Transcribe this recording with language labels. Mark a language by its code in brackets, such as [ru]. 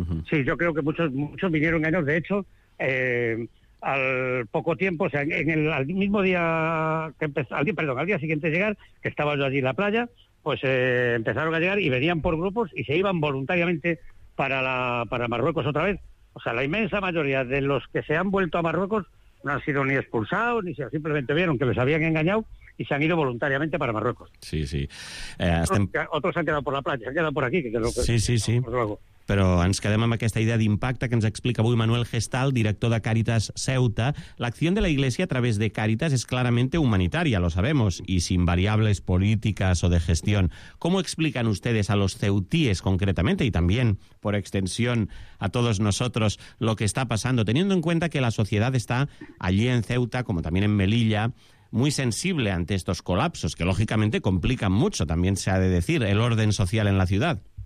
[es] Sí, yo creo que muchos vinieron engañados. De hecho, al poco tiempo, o sea, al mismo día que empezó, al día siguiente de llegar, que estaba yo allí en la playa, pues empezaron a llegar y venían por grupos y se iban voluntariamente para Marruecos otra vez. O sea, la inmensa mayoría de los que se han vuelto a Marruecos no han sido ni expulsados, simplemente vieron que les habían engañado y se han ido voluntariamente para Marruecos. Sí, sí. Otros se han quedado por la playa, se han quedado por aquí. Sí. [ca] Però ens quedem amb aquesta idea d'impacte que ens explica avui Manuel Gestal, director de Càritas Ceuta. L'acció de la Iglesia a través de Càritas és clarament humanitària, [es] lo sabemos, y sin variables políticas o de gestión. ¿Cómo explican ustedes a los ceutíes concretamente y también, por extensión, a todos nosotros lo que está pasando, teniendo en cuenta que la sociedad está allí en Ceuta, como también en Melilla, muy sensible ante estos colapsos, que lógicamente complican mucho, también se ha de decir, el orden social en la ciudad?